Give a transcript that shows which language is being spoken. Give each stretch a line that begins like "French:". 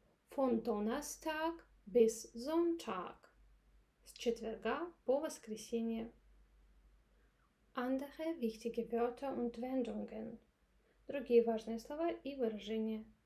German: Von Donnerstag bis Sonntag.
Russian: С четверга по воскресенье.
German: Andere wichtige Wörter und Wendungen.
Russian: Другие важные слова и выражения.